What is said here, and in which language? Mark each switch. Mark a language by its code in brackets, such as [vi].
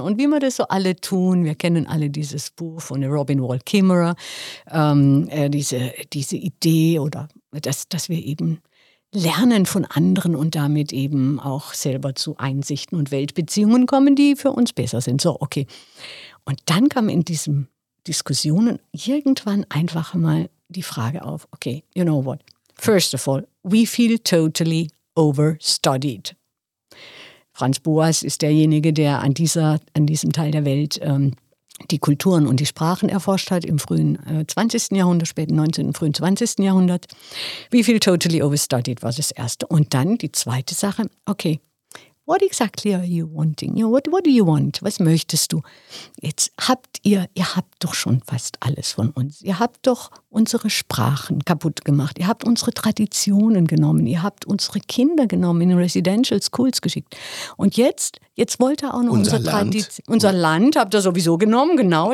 [de] Und wie wir das so alle tun, wir kennen alle dieses Buch von Robin Wall Kimmerer, diese Idee, oder dass wir eben lernen von anderen und damit eben auch selber zu Einsichten und Weltbeziehungen kommen, die für uns besser sind. So, okay. Und dann kam in diesen Diskussionen irgendwann einfach mal die Frage auf, [en] okay, you know what? First of all, we feel totally overstudied. [de] Franz Boas ist derjenige, der an diesem Teil der Welt die Kulturen und die Sprachen erforscht hat im frühen 20. Jahrhundert, späten 19., frühen 20. Jahrhundert. Wie viel [en] totally overstudied [de] war das erste? Und dann die zweite Sache. [en] Okay, what exactly are you wanting? You know, what do you want? [de] Was möchtest du? Jetzt habt ihr habt doch schon fast alles von uns. Ihr habt doch unsere Sprachen kaputt gemacht. Ihr habt unsere Traditionen genommen. Ihr habt unsere Kinder genommen, in Residential Schools geschickt. Und jetzt wollt ihr auch noch unser Tradition. Unser Land habt ihr sowieso genommen, genau.